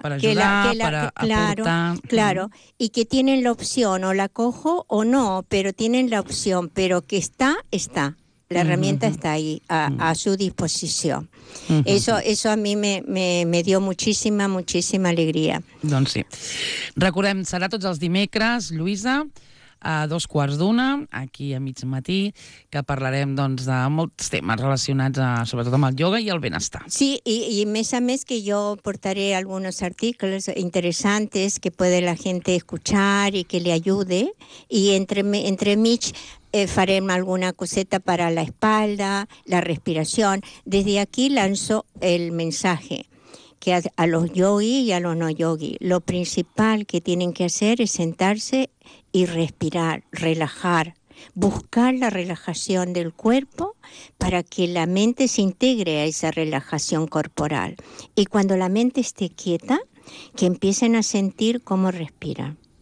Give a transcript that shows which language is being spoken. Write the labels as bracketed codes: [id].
[es] para ayudar, claro, aportar. Claro, y que tienen la opción, o la cojo o no, pero tienen la opción, pero que está, la herramienta está ahí, a su disposición. Eso a mí me dio muchísima, muchísima alegría. [ca] Doncs sí. Recordem, serà tots els dimecres, Lluïsa, a 1:15, aquí a mig matí, que parlarem doncs, de molts temes relacionats a, sobretot amb el ioga i el benestar. Sí, i més a més que jo portaré alguns articles interessants que pode la gent escuchar i que li ajude, i entre mig farem alguna coseta per a la espalda, la respiració. Des d'aquí lanço el missatge. [es] Que a los yogis y a los no yogis, lo principal que tienen que hacer es sentarse y respirar, relajar, buscar la relajación del cuerpo para que la mente se integre a esa relajación corporal. Y cuando la mente esté quieta, que empiecen a sentir cómo respira.